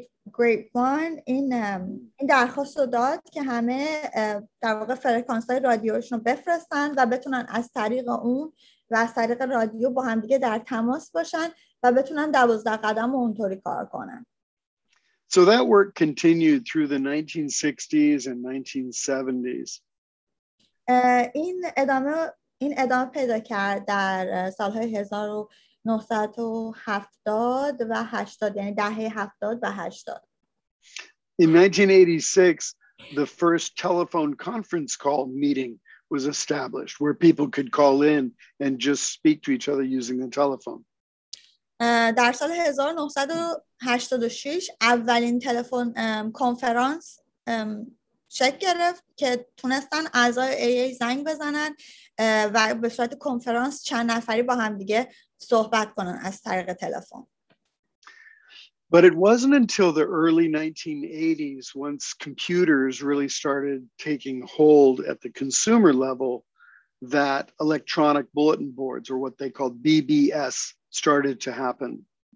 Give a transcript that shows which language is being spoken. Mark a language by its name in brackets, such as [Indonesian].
[Persian] Grapevine این درخواست رو داد که همه در واقع فرکانس های رادیوشون رو بفرستن و بتونن از طریق اون و از طریق رادیو با همدیگه در تماس باشن و بتونن 12 قدم رو اونطوری کار کنن. [English] So that work continued through the 1960s and 1970s. [Persian] این ادامه پیدا کرد در سالهای 1970 و 80 یعنی دهه 70 و 80. [English] In 1986, the first telephone conference call meeting was established where people could call in and just speak to each other using the telephone. [Persian] در سال 1986 اولین تلفن کنفرانس شکل گرفت که تونستن اعضای AA زنگ بزنن و به صورت کنفرانس چند نفری با هم دیگه صحبت کنن از طریق تلفن. [English] But it wasn't until the early 1980s, once computers really started taking hold at the consumer level, that electronic bulletin boards, or what they called BBS, started to happen.